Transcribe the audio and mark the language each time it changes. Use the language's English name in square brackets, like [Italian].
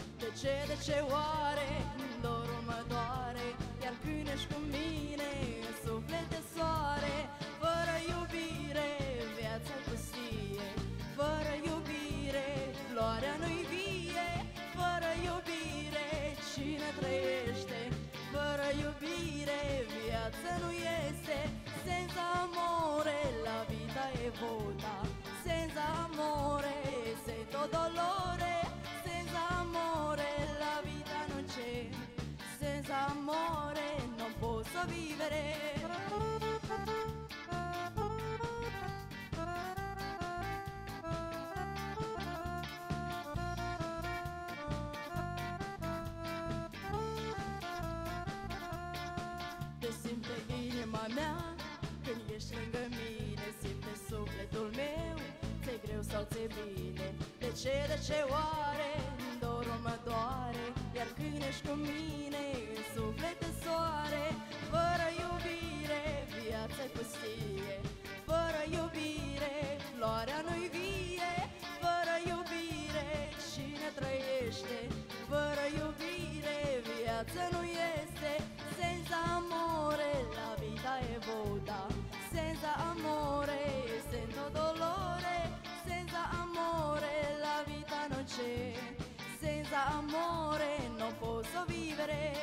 [Romanian] De ce, de ce oare dorul mă doare, iar când ești cu mine suflete soare. Fără iubire viața pustie, fără iubire floarea nu-i vie. Fără iubire cine trăiește, fără iubire viața nu este. [Italian] Senza amore la vita è vuota, senza amore sei tutto dolore. Senza amore la vita non c'è, senza amore non posso vivere. [Romanian] Te simte inima mea când ești lângă mine, simte sufletul meu, ți-e greu sau ți-e bine. De ce, de ce oare dorul mă doare, iar când ești cu mine în suflet soare. Fără iubire viața-i pustie, fără iubire floarea nu-i vie. Fără iubire cine trăiește, fără iubire viața nu este. [Italian] Senza amore la vita è vuota, senza amore sento dolore. Senza amore la vita non c'è, senza amore non posso vivere.